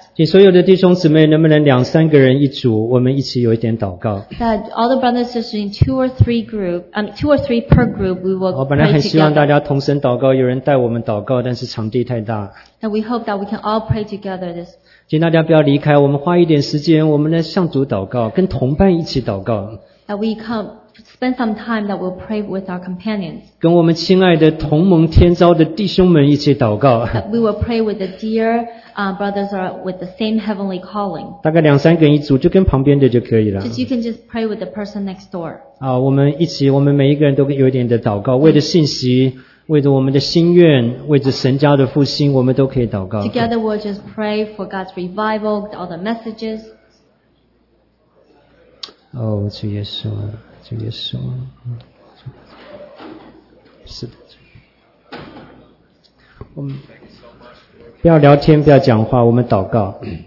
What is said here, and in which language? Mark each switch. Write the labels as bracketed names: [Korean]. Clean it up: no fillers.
[Chinese] 请所有的弟兄姊妹能不能两三个人一组我们一起有一点祷告 [English] That all the brothers and sisters in two or three per group, we will pray together. [Chinese] 我本来很希望大家同声祷告有人带我们祷告但是场地太大。 [English] And we hope that we can all pray together this week. [Chinese] 请大家不要离开我们花一点时间我们来向主祷告跟同伴一起祷告。 [English] That we come. Spend some time that we'll pray with our companions. [Chinese] 跟我们亲爱的同盟天召的弟兄们一起祷告。 [English] We will pray with the dear brothers with the same heavenly calling. [Chinese] 大概两三个人一组，就跟旁边的就可以了。 [English] Just you can just pray with the person next door. [Chinese] 啊，我们一起，我们每一个人都有一点的祷告，为着信息，为着我们的心愿，为着神家的复兴，我们都可以祷告。 [English] Together we'll just pray for God's revival, all the messages. [Chinese] Oh, 主耶稣啊。主耶稣，是的，我们不要聊天，不要讲话，我们祷告。